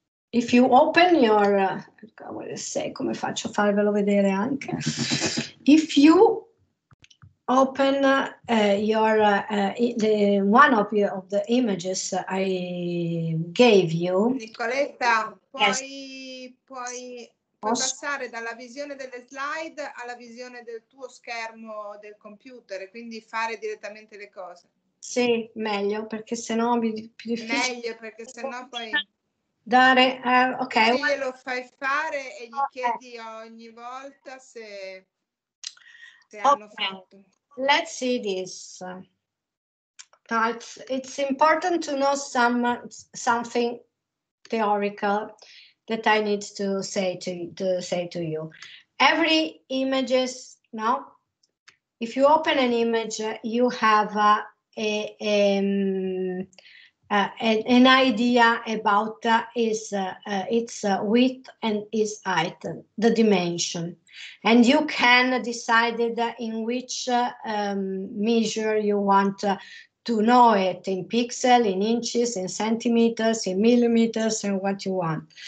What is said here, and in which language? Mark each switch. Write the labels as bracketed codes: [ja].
[en] If you open your, [it] come faccio a farvelo vedere anche. [en] If you open your the one of you of the images I gave you, Nicoletta, yes. [it] puoi passare dalla visione delle slide alla visione del tuo schermo del computer, quindi fare direttamente le cose. Sì, meglio, perché sennò è più difficile. Meglio, perché sennò poi. Dare, ok. Tu glielo fai fare e gli chiedi ogni volta se hanno fatto. [en] Let's see this. It's important to know something theoretical that I need to say to you. Every images, no? If you open an image, you have an idea about its width and its height, the dimension, and you can decide in which measure you want to know it, in pixel, in inches, in centimeters, in millimeters, and what you want.